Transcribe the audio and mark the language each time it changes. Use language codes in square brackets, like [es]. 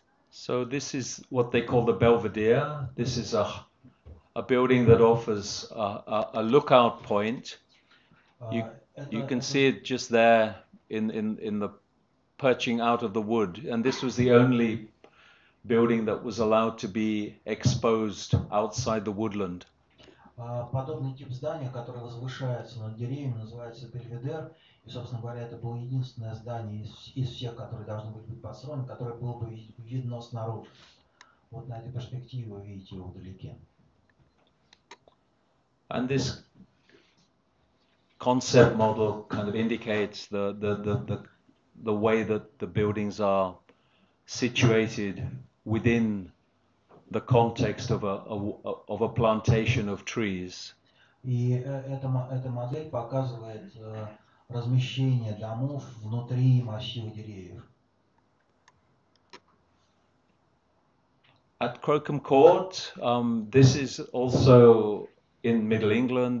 [en] So this is what they call the Belvedere. This is a building that offers a lookout point. You can see it just there in the perching out of the wood. And this was the only building that was allowed to be exposed outside the woodland. [ru] Подобный тип здания, которое возвышается над деревьями, называется Belvedere. И, собственно говоря, это было единственное здание из всех, которые должны были быть построены, которое было бы видно снаружи. Вот на этой перспективе вы видите его вдалеке. [en] And this concept model kind of indicates the way that the buildings are situated within the context of a plantation of trees. [ru] И эта модель показывает размещение домов внутри массива деревьев. [en] At Crocombe Court, this is also in Middle England.